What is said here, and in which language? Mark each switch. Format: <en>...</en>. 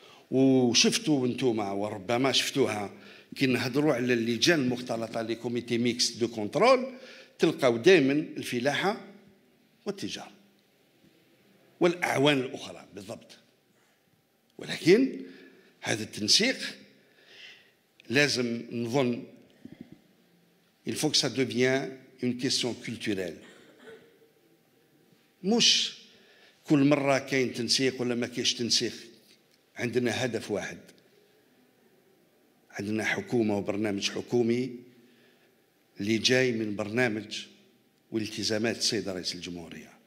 <ar>وشفتوا انتوما وربما شفتوها كي نهضروا على اللجان المختلطه</ar> <fr>لي كوميتي ميكس دو كونترول،</fr> <ar>تلقاو دائما الفلاحه والتجاره والأعوان الأخرى بالضبط. ولكن هذا التنسيق لازم نظن</ar> <fr>il faut que ça devienne une question culturelle.</fr> <ar>مش كل مرة كاين تنسيق ولا ما كاينش تنسيق، عندنا هدف واحد، عندنا حكومة وبرنامج حكومي اللي جاي من برنامج والتزامات السيد رئيس الجمهورية.</ar>